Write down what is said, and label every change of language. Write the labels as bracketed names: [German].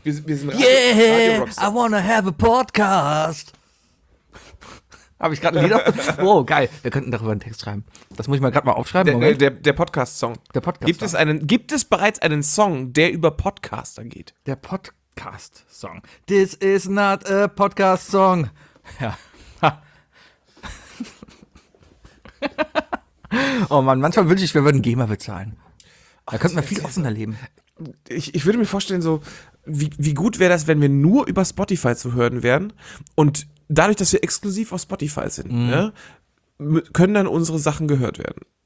[German] Wir sind [English] yeah, Radio Rockstar. I wanna have a podcast. [German] Habe ich gerade ein Lied auf? Oh, geil. Wir könnten darüber einen Text schreiben. Das muss ich mal gerade mal aufschreiben. Der Podcast-Song. Der Podcast-Song. Gibt es bereits einen Song, der über Podcaster geht? Der Podcast-Song. [English] This is not a Podcast-Song. [German] Ja. Oh Mann, manchmal wünsche ich, wir würden GEMA bezahlen. Da könnten wir viel offener leben. Ich würde mir vorstellen, so wie gut wäre das, wenn wir nur über Spotify zu hören wären und dadurch, dass wir exklusiv auf Spotify sind, ne, können dann unsere Sachen gehört werden.